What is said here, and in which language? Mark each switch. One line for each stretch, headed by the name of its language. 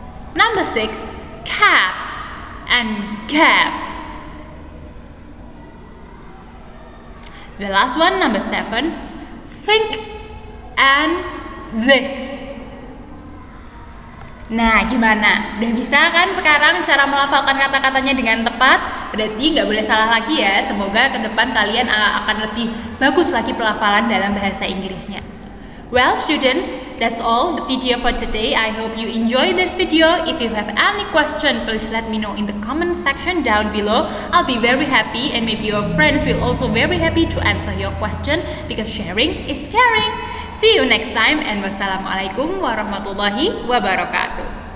English: Number six, cap and gap. The last one, number seven, think and this.
Indonesian: Nah, gimana? Udah bisa kan sekarang cara melafalkan kata-katanya dengan tepat? Berarti nggak boleh salah lagi ya. Semoga ke depan kalian akan lebih bagus lagi pelafalan dalam bahasa Inggrisnya.
English: Well, students, that's all the video for today. I hope you enjoy this video. If you have any question, please let me know in the comment section down below. I'll be very happy and maybe your friends will also very happy to answer your question because sharing is caring. See you next time and
Arabic: wassalamualaikum warahmatullahi wabarakatuh.